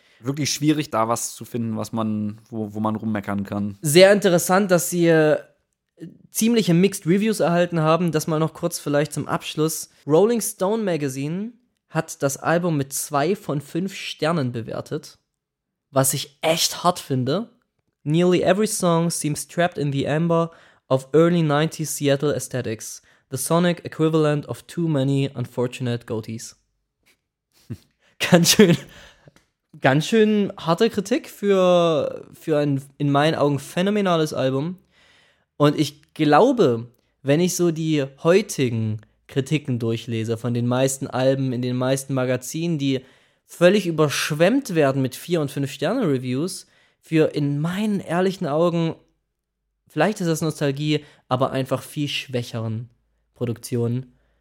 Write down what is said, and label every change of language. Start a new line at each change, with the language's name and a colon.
German: Wirklich schwierig, da was zu finden, was man, wo man rummeckern kann. Sehr interessant, dass sie ziemliche Mixed Reviews erhalten haben. Das mal noch kurz vielleicht zum Abschluss. Rolling Stone Magazine hat das Album mit 2 von 5 Sternen bewertet. Was ich echt hart finde.
English: Nearly every song seems trapped in the amber of early 90s Seattle aesthetics. The sonic equivalent of too many unfortunate goatees.
German: Ganz schön harte Kritik für ein in meinen Augen phänomenales Album. Und ich glaube, wenn ich so die heutigen Kritiken durchlese von den meisten Alben in den meisten Magazinen, die völlig überschwemmt werden mit 4- und 5-Sterne-Reviews für in meinen ehrlichen Augen, vielleicht ist das Nostalgie, aber einfach viel schwächeren Produktionen.